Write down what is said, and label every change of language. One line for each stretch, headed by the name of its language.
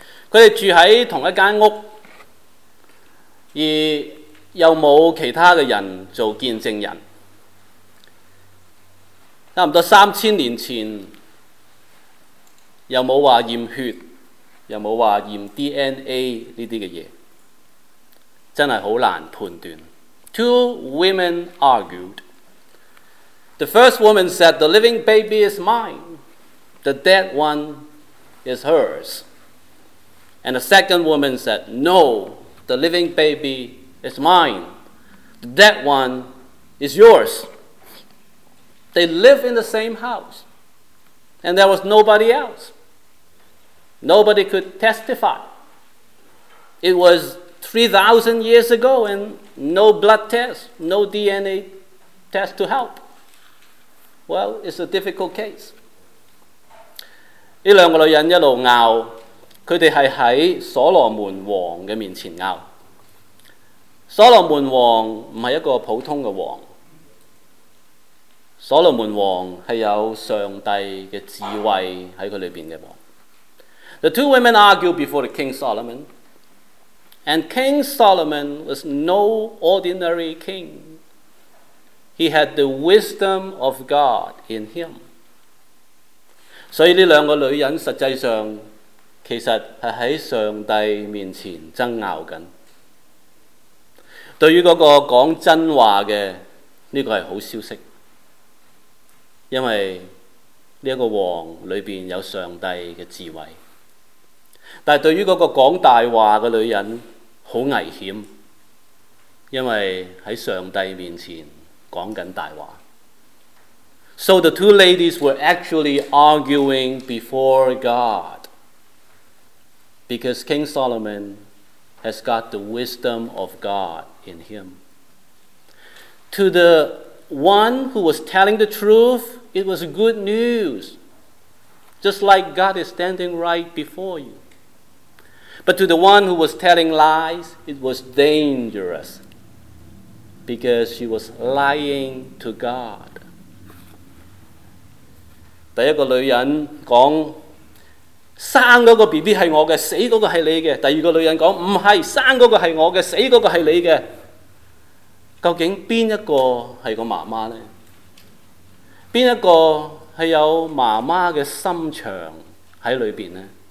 Chinese: 他们住在同一间屋，而又没有其他的人做见证人。差不多三千年前，又没有说验血，又没有说验 DNA 这些东西，真的很难判断。
English: Two women argued. The first woman said, The living baby is mine. The dead one is hers. And the second woman said, No. The living baby is mine. The dead one is yours. They live in the same house. And there was nobody else. Nobody could testify. It was 3,000 years ago and no blood test, no DNA test to help. Well, it's a difficult case.
Chinese: 这两个女人一路拗，她们是在所罗门王的面前拗。所罗门王不是一个普通的王，所罗门王是有上帝的智慧在他里面的王。
English: The two women argued before the King Solomon, and King Solomon was no ordinary king. He had the wisdom of God in him.
Chinese: 所以这两个女人实际上其实是在上帝面前争拗着，对于那个讲真话的，这个是好消息，因为这个王里面有上帝的智慧。但对于那个讲大话的女人很危险，因为在上帝面前讲着大话。
English: So the two ladies were actually arguing before God because King Solomon has got the wisdom of God in him. To the one who was telling the truth, it was good news, just like God is standing right before you. But to the one who was telling lies, it was dangerous, because she was lying to God.
Chinese: 第一个女人讲，生那个 BB 是我的，死那个是你的。第二个女人说，不是，生那个是我的，死那个是你的。究竟哪一个是个妈妈呢？哪一个是有妈妈的心肠在里面呢？